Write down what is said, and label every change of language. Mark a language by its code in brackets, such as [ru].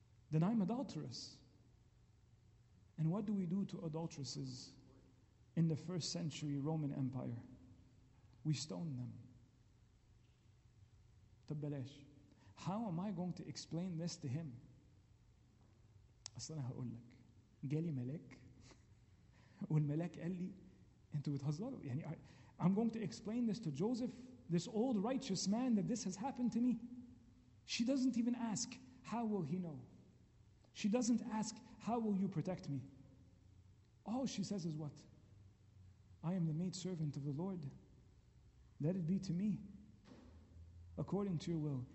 [en] then I'm adulterous. And what do we do to adulteresses in the first century Roman Empire? We stone them. تبلاش. How am I going to explain this to him? [ar] أصلا هقول لك. جالي ملك والملك قال لي أنتوا بتهزروا. يعني [en] I'm going to explain this to Joseph, this old righteous man, that this has happened to me. She doesn't even ask, how will he know? She doesn't ask, how will you protect me? All she says is what? I am the maidservant of the Lord. Let it be to me according to your will.